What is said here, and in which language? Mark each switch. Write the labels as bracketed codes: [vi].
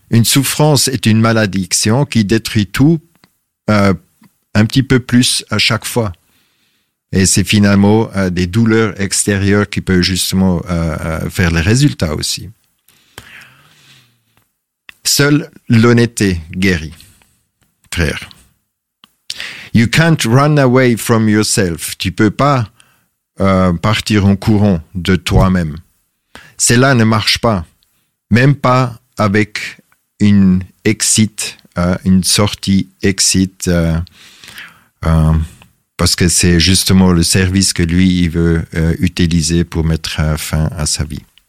[fr] Une souffrance est une malédiction qui détruit tout un petit peu plus à chaque fois. Et c'est finalement des douleurs extérieures qui peuvent justement faire les résultats aussi. Seule l'honnêteté guérit, frère. [en] You can't run away from yourself. [fr] Tu ne peux pas partir en courant de toi-même. Cela ne marche pas. Même pas avec une exit, une sortie exit. Parce que c'est justement le service que lui, il veut utiliser pour mettre fin à sa vie.